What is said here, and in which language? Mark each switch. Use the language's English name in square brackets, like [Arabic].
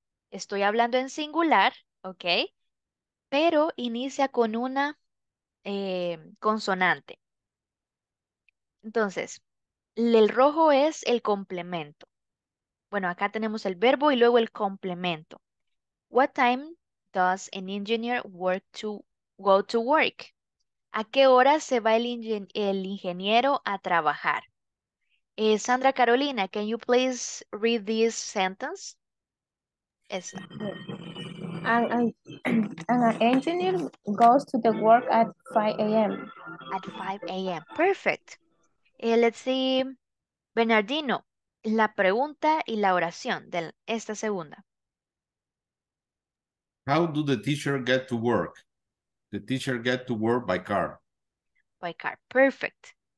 [Spanish] Estoy hablando en singular, ¿ok? Pero inicia con una consonante. Entonces, el rojo es el complemento. Bueno, acá tenemos el verbo y luego el complemento. [English] What time does an engineer work to go to work? [Spanish] ¿A qué hora se va el ingeniero a trabajar? [English] Sandra Carolina, can you please read this sentence? [Spanish] Esta. [English] An engineer goes to the work at 5 a.m. At 5 a.m. Perfect. Let's see. [Spanish] Bernardino, la pregunta y la oración de esta segunda. [English] How do the teacher get to work? The teacher get to work by car. By car. Perfect.